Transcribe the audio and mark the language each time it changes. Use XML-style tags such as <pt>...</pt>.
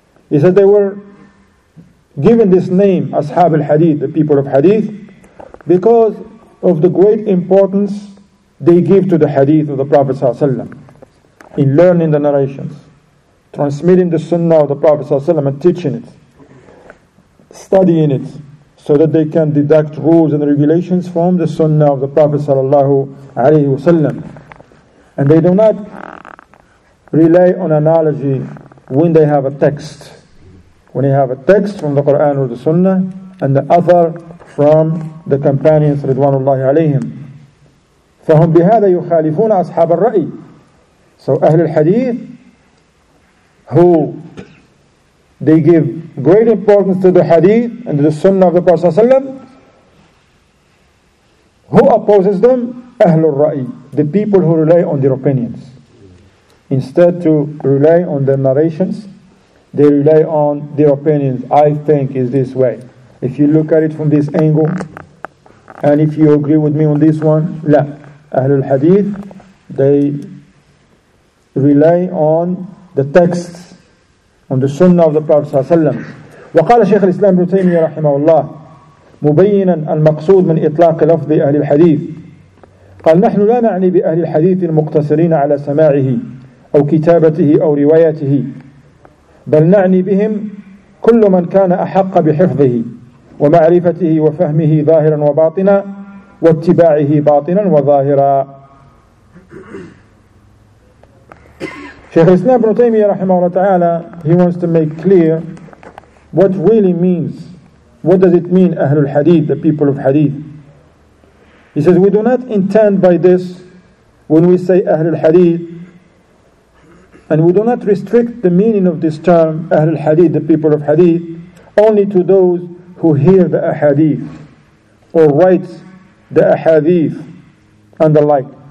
<en>He said they were given this name أصحاب الحديث, the people of hadith, because of the great importance they give to the hadith of the Prophet صلى الله عليه وسلم in learning the narrations, transmitting the sunnah of the Prophet صلى الله عليه وسلم and teaching it, studying it, so that they can deduct rules and regulations from the sunnah of the Prophet صلى الله عليه وسلم. And they do not rely on analogy when they have a text. When they have a text from the Quran or the sunnah and the other from the companions ridwanullahi alayhim.</en> <ar>فهم بهذا يخالفون أصحاب الرأي.</ar> <en>So أهل الحديث, who they give great importance to the hadith and to the sunnah of the Prophet ﷺ, who opposes them? Ahlul Ra'i, the people who rely on their opinions. Instead to rely on their narrations, they rely on their opinions. I think is this way. If you look at it from this angle, and if you agree with me on this one, la. Ahlul Hadith, they rely on the texts, on the sunnah of the Prophet صلى الله عليه وسلم.</en> <ar>وقال شيخ الإسلام ابن تيمية رحمه الله مبينا المقصود من إطلاق لفظ أهل الحديث قال نحن لا نعني بأهل الحديث المقتصرين على سماعه أو كتابته أو روايته بل نعني بهم كل من كان أحق بحفظه ومعرفته وفهمه ظاهرا وباطنا واتباعه باطنا وظاهرا.</ar> <en>Shaykh Islam ibn Taymiyyah rahimahullah ta'ala, he wants to make clear what really means, what does it mean Ahlul Hadith, the people of Hadith. He says, we do not intend by this, when we say Ahlul Hadith, and we do not restrict the meaning of this term, Ahlul Hadith, the people of Hadith, only to those who hear the Ahadith, or write the Ahadith, and the like.</en>